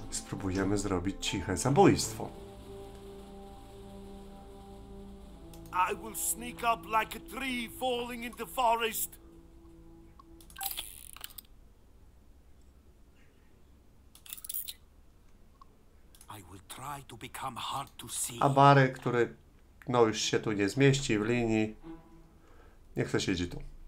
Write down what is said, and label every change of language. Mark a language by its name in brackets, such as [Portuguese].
[Polish] Próbujemy zrobić ciche zabójstwo. [English] I will sneak up like a tree falling in the forest. I will try to become hard to see. [Polish] A Barry, który no już się tu nie zmieści w linii, nie chce siedzieć tu.